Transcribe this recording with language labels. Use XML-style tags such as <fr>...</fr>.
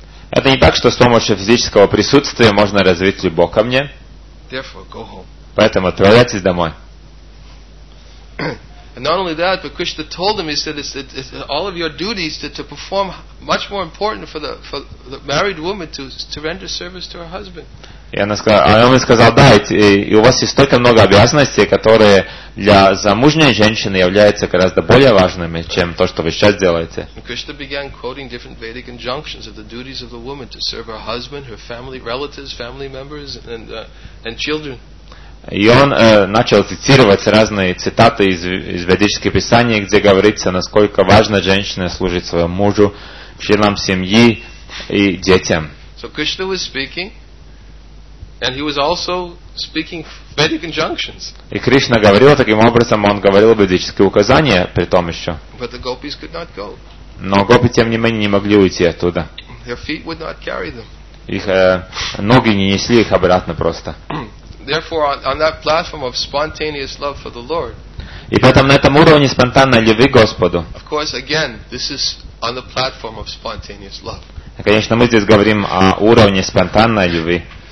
<ru>Это не так, что с помощью физического присутствия можно развить любовь ко мне. Поэтому отправляйтесь домой.</ru> <en>And not only that, but Krishna told him, he said, it's all of your duties to perform much more important for the married woman to render service to her husband.</en> <ru>Да, и у вас есть столько много обязанностей, которые для замужней женщины являются гораздо более важными, чем то, что вы сейчас делаете.</ru> <en>And Krishna began quoting different Vedic injunctions of the duties of the woman to serve her husband, her family, relatives, family members, and children.</en> <ru>И он начал цитировать разные цитаты из ведических писаний, где говорится, насколько важно женщине служить своему мужу, членам семьи и детям.</ru> <en>So Krishna was speaking, and he was also speaking Vedic injunctions.</en> <ru>И Кришна говорил таким образом, он говорил ведические указания при том еще.</ru> <en>But the gopis could not go.</en> <ru>Но гопи, тем не менее, не могли уйти оттуда.</ru> <en>Their feet would not carry them.</en> <ru>Их ноги не несли их обратно просто.</ru> <en>Therefore, on that platform of spontaneous love for the Lord,</en> <ru>И поэтому на этом уровне спонтанной любви к Господу.</ru> <en>Of course, again, this is on the platform of spontaneous love.</en> <ru>Конечно, мы здесь говорим о уровне спонтанной любви.</ru>